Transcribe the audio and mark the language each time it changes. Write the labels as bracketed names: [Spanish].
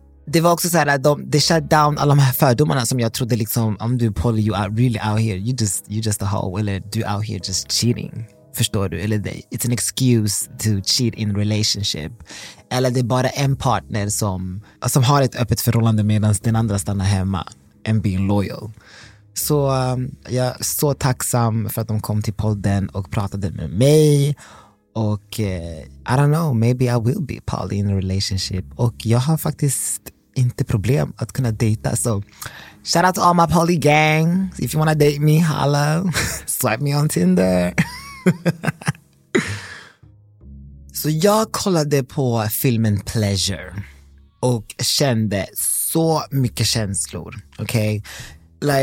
[Swedish] Det var också så här att de [English] shut down [Swedish] alla de här fördomarna som jag trodde liksom, om du poly, [English] you are really out here, you just a hoe, [Swedish] eller du out here [English] just cheating, [Swedish] förstår du, eller det, [English] it's an excuse to cheat in relationship, [Swedish] eller det är bara en partner som har ett öppet förhållande medan den andra stannar hemma [English] and being loyal. [Swedish] Så jag är så tacksam för att de kom till podden och pratade med mig. [English] Och I don't know, maybe I will be poly in a relationship. [Swedish] Och jag har faktiskt inte problem att kunna dejta. [English] Så shout out to all my poly gang. If you wanna date me, holla. Swipe me on Tinder. [Swedish] Så jag kollade på filmen Pleasure och kände så mycket känslor. Okej? Okay?